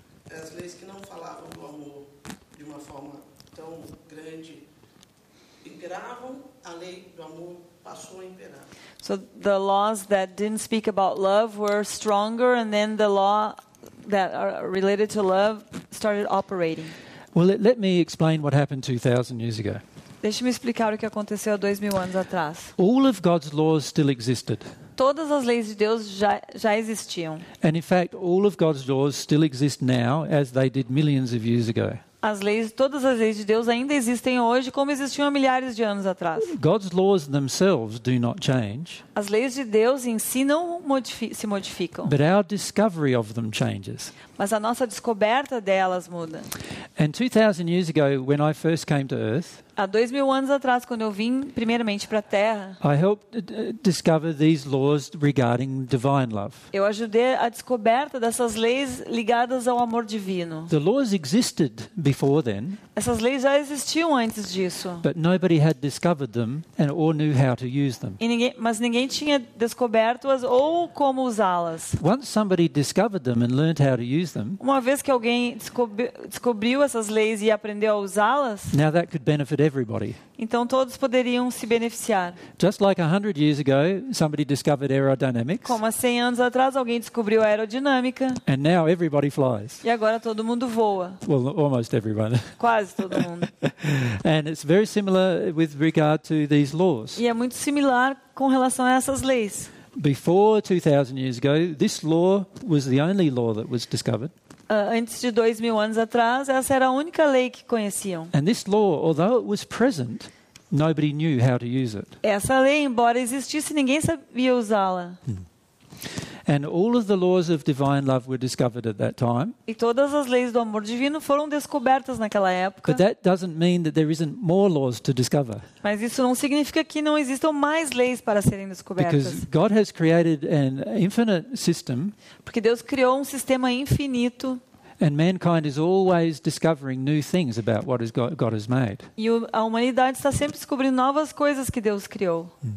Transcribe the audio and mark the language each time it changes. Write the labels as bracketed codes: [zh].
[pt] As leis que não falavam do amor de uma forma tão grande imperavam, a lei do amor passou a imperar. [en] So the laws that didn't speak about love were stronger, and then the law that are related to love started operating. Well, let me explain what happened 2000 years ago. [pt] Deixa-me explicar o que aconteceu há 2000 anos atrás. [en] All of God's laws still existed. [pt] Todas as leis de Deus já existiam. [en] And in fact, all of God's laws still exist now as they did millions of years ago. [pt] Todas as leis de Deus ainda existem hoje como existiam há milhares de anos atrás. [en] God's laws themselves do not change. [pt] As leis de Deus em si não se modificam. [en] But our discovery of them changes. [pt] Mas a nossa descoberta delas muda. [en] And 2000 years ago when I first came to earth, [pt] há 2000 anos atrás, quando eu vim primeiramente para a Terra, [en] I helped discover these laws regarding divine love. [pt] Eu ajudei a descoberta dessas leis ligadas ao amor divino. [en] The laws existed before then. [pt] Essas leis já existiam antes disso. [en] But nobody had discovered them and or knew how to use them. [pt] Mas ninguém tinha descoberto-as ou como usá-las. [en] Once somebody discovered them and learned how to use them. [pt] Uma vez que alguém descobriu essas leis e aprendeu a usá-las. [en] Now that could benefit everybody. [pt] Então todos poderiam se beneficiar. [en] Just like 100 years ago, somebody discovered aerodynamics. [pt] Como há 100 anos atrás alguém descobriu a aerodinâmica. [en] And now everybody flies. [pt] E agora todo mundo voa. [en] Well, almost everyone. [pt] Quase todo mundo. [en] And it's very similar with regard to these laws. [pt] E é muito similar com relação a essas leis. [en] Before 2000 years ago, this law was the only law that was discovered. [pt] Antes de 2000 anos atrás, essa era a única lei que conheciam. [en] And this law, although it was present, nobody knew how to use it. [pt] Essa lei, embora existisse, ninguém sabia usá-la. [en] And all of the laws of divine love were discovered at that time. [pt] E todas as leis do amor divino foram descobertas naquela época. [en] But that doesn't mean that there isn't more laws to discover. [pt] Mas isso não significa que não existam mais leis para serem descobertas. [en] Because God has created an infinite system. [pt] Porque Deus criou sistema infinito. [en] And mankind is always discovering new things about what God has made. [pt] E a humanidade está sempre descobrindo novas coisas que Deus criou.